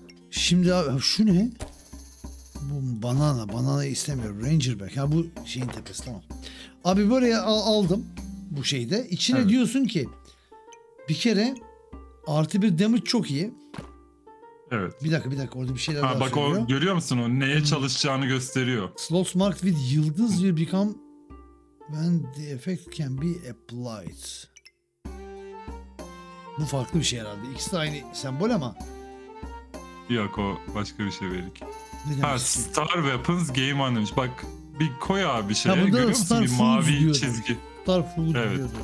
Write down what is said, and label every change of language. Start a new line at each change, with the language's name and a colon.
Turkish: Şimdi abi şu ne? Bu banana. Bananayı istemiyorum. Ranger back. Ya bu şeyin tepesi, tamam. Abi buraya aldım bu şeyde. İçine evet. Diyorsun ki bir kere artı bir damage çok iyi. Evet. Bir dakika orada bir şeyler ha, daha bak, söylüyor. Bak o görüyor musun, o neye çalışacağını gösteriyor.
English: Slots marked with yıldız will become when the effect can be applied.
Turkish: Bu farklı bir şey herhalde. İkisi de aynı sembol ama. Yok, o başka bir şey belki. Ha, star weapons game on demiş. Bak bir koy abi şeye, görüyor musun? Star bir mavi çizgi. Star food evet.